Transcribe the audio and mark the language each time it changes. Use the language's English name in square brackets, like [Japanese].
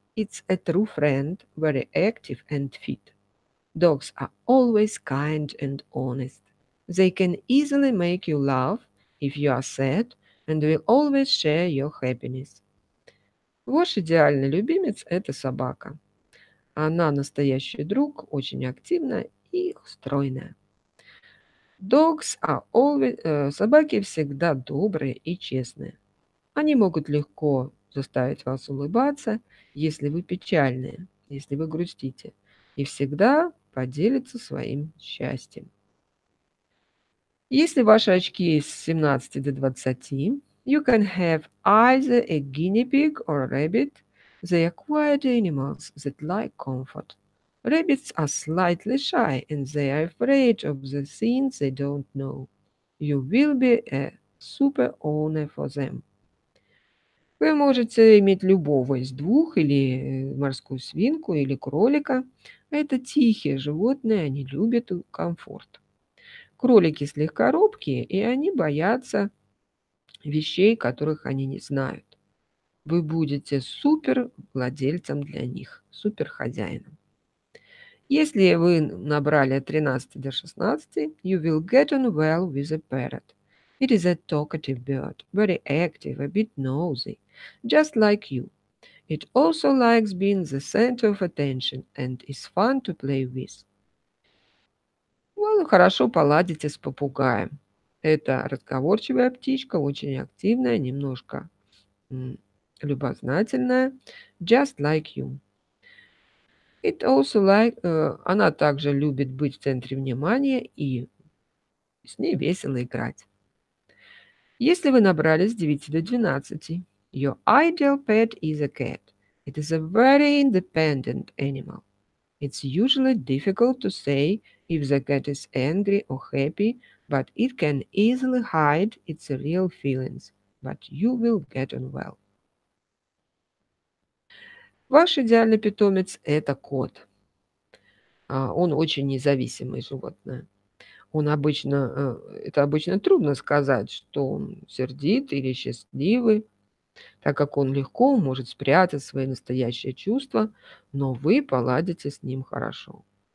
[English] It's a true friend, very active and fit. Dogs are always kind and honest. They can easily make you laugh if you are sad and will always share your happiness. [Russian] Ваш идеальный любимец – это собака. Она настоящий друг, очень активная и стройная. [English] Dogs are always, [Russian] собаки всегда добрые и честные. Они могут легко заставить вас улыбаться, если вы печальные, если вы грустите, и всегда поделятся своим счастьем. Если ваши очки с 17 до 20, [English] you can have either a guinea pig or a rabbit. They are quiet animals that like comfort. Rabbits are slightly shy, and they are afraid of the things they don't know. You will be a super owner for them. [Russian] Вы можете иметь любого из двух, или морскую свинку, или кролика. Это тихие животные, они любят комфорт. Кролики слегка робкие, и они боятся вещей, которых они не знают. Вы будете супер владельцем для них, супер хозяином. Если вы набрали 13 до 16, [English] you will get on well with a parrot. It is a talkative bird, very active, a bit nosy, just like you. It also likes being the center of attention and is fun to play with. [Russian] Вы хорошо поладите с попугаем. Это разговорчивая птичка, очень активная, немножко любознательная, [English] just like you. It also like, [Russian] она также любит быть в центре внимания и с ней весело играть. Если вы набрали с 9 до 12, [English] your ideal pet is a cat. It is a very independent animal. It's usually difficult to say if the cat is angry or happy, but it can easily hide its real feelings. But you will get on well. [Russian] Ваш идеальный питомец – это кот. Он очень независимый животное. Он обычно, это обычно трудно сказать, что он сердит или счастливый, так как он легко может спрятать свои настоящие чувства, но вы поладите с ним хорошо.